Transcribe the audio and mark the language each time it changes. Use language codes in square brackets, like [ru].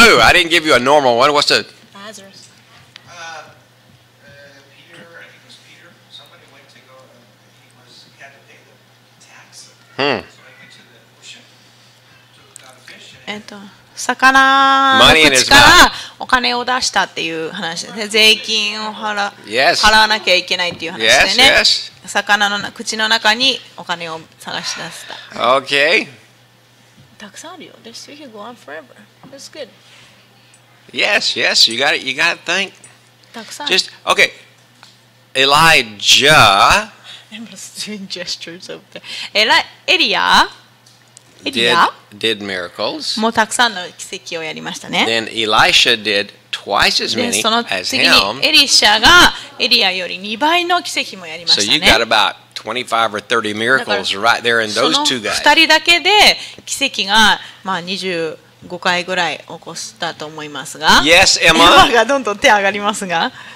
[en] Lou, I didn't give you a normal one. What's the... Lazarus. Peter, I think it was Peter. Somebody went to go and he was had a pay the tax. Hmm. So he went to the ocean. So got a fish in it. [ja] 魚の口からお金を出したっていう話で、税金を払、 [en] yes. [ja] 払わなきゃいけないっていう話でね。 [en] Yes, yes. [ja] 魚の口の中にお金を探し出した。 [en] Okay. [ja] たくさんあるよ。 [en] This we can go on forever. That's good. Yes, yes. You got it. You got to think. [ja] たくさん。 [en] Just okay. Elijah. I'm just doing gestures over there. Elijah. Did miracles. [ja] もうたくさんの奇跡をやりましたね。 [en] Then Elisha did twice as many as him. [ja] でその次にエリシャがエリアより2倍の奇跡もやりましたね。 [en] So you got about 25 or 30 miracles right there in those two guys. [ja] その2人だけで奇跡がまあ25回ぐらい起こしたと思いますが。 [en] Yes, Emma. [ja] エマがどんどん手上がりますが。